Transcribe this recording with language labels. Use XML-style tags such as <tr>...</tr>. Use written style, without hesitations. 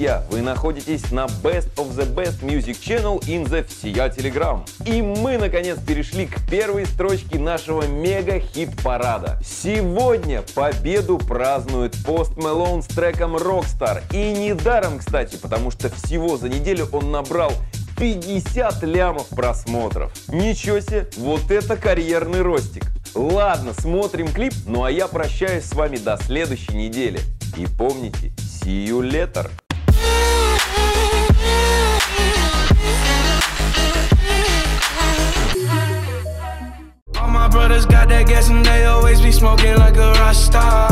<ru>Вы находитесь на Best of the Best Music Channel in the FCA Telegram. И мы, наконец, перешли к первой строчке нашего мега-хит-парада. Сегодня победу празднует Post Malone с треком Rockstar. И недаром, кстати, потому что всего за неделю он набрал 50 лямов просмотров. Ничего себе, вот это карьерный ростик. Ладно, смотрим клип, ну а я прощаюсь с вами до следующей недели. И помните,</ru> <en>see you later. Got that gas and they always be smoking like a Rasta.</en>